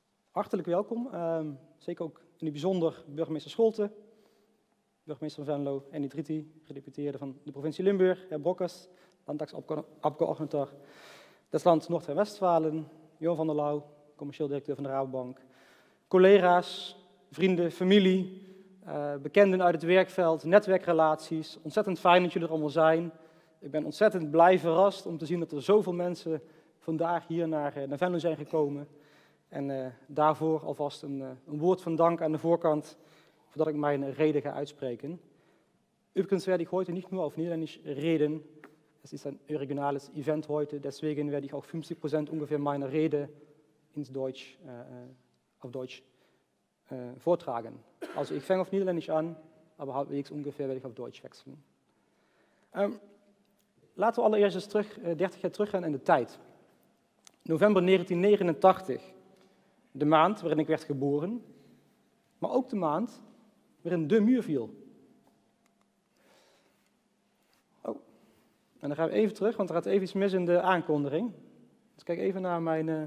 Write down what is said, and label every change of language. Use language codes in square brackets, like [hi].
[nl] Hartelijk welkom, zeker ook in het bijzonder burgemeester Scholten, burgemeester van Venlo, Annie Tritti, gedeputeerde van de provincie Limburg, heer Brokkers, landtagsabgeordneter, Desland Noord- en Westfalen, Johan van der Lauw, commercieel directeur van de Rabobank, collega's, vrienden, familie, bekenden uit het werkveld, netwerkrelaties, ontzettend fijn dat jullie er allemaal zijn. Ik ben ontzettend blij verrast om te zien dat er zoveel mensen vandaag hier naar Venlo zijn gekomen. En daarvoor alvast een woord van dank aan de voorkant, voordat ik mijn reden ga uitspreken. [de] Übrigens werde ik heute niet nur auf Niederländisch reden. [nl] Het is een [de] regionales event heute, deswegen werde ik ook 50% ungefähr meiner reden ins Deutsch, auf Deutsch vortragen. Also ich fange auf Niederländisch an, aber halbwegs ungefähr werde ich auf Deutsch wechseln. [nl] Laten we allereerst eens terug, 30 jaar teruggaan in de tijd. November 1989. De maand waarin ik werd geboren, maar ook de maand waarin de muur viel. Oh, en dan gaan we even terug, want er gaat even iets mis in de aankondiging. Dus kijk even naar mijn...